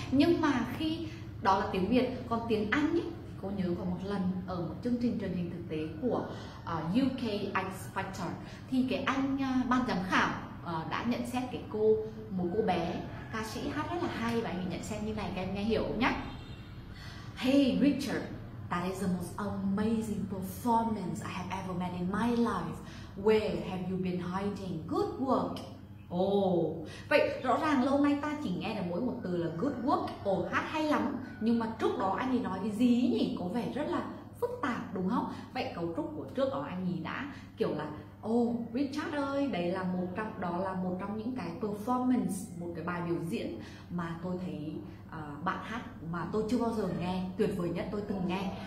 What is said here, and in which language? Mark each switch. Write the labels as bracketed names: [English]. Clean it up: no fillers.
[Vietnamese] Nhưng mà khi đó là tiếng Việt, còn tiếng Anh ấy, cô nhớ có một lần ở một chương trình truyền hình thực tế của UK X Factor thì cái anh ban giám khảo đã nhận xét cái cô, một cô bé ca sĩ hát rất là hay, và anh ấy nhận xét như này, các em nghe hiểu không nhá? [English] Hey Richard, that is the most amazing performance I have ever met in my life. Where have you been hiding? Good work. [Vietnamese] Vậy rõ ràng lâu nay ta chỉ nghe được mỗi một từ là good work, hát hay lắm. Nhưng mà trước đó anh ấy nói cái gì nhỉ? Có vẻ rất là phức tạp đúng không? Vậy cấu trúc của trước đó anh ấy đã kiểu là Richard ơi, đó là một trong những cái performance, một cái bài biểu diễn mà tôi thấy bạn hát mà tôi chưa bao giờ nghe, tuyệt vời nhất tôi từng nghe.